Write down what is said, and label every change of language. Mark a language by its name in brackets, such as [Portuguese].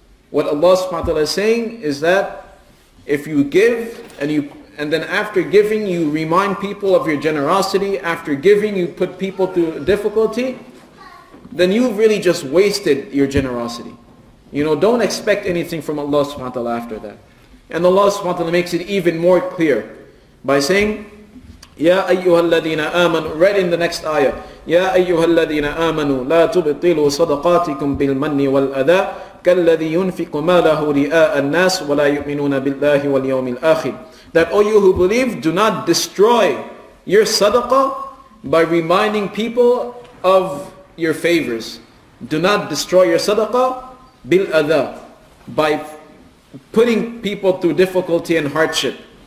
[English] What Allah subhanahu wa ta'ala is saying is that if you give and you and then after giving, you remind people of your generosity, after giving, you put people through difficulty, then you've really just wasted your generosity. You know, don't expect anything from Allah subhanahu wa ta'ala after that. And Allah subhanahu wa ta'ala makes it even more clear by saying, [Arabic] يَا أَيُّهَا الَّذِينَ آمَنُوا, [English] right in the next ayah, [Arabic] يَا أَيُّهَا الَّذِينَ آمَنُوا لَا تُبْطِلُوا صَدَقَاتِكُمْ بِالْمَنِّ وَالْأَذَىٰ كَالَّذِي يُنْفِقُ مَالَهُ رِئَاءَ النَّاسِ وَلَا يُؤْمِنُونَ بِاللَّهِ وَالْيَوْمِ الْآخِرِ. [English] That all you who believe, do not destroy your sadaqah by reminding people of your favors. Do not destroy your sadaqah bil adha, by putting people through difficulty and hardship.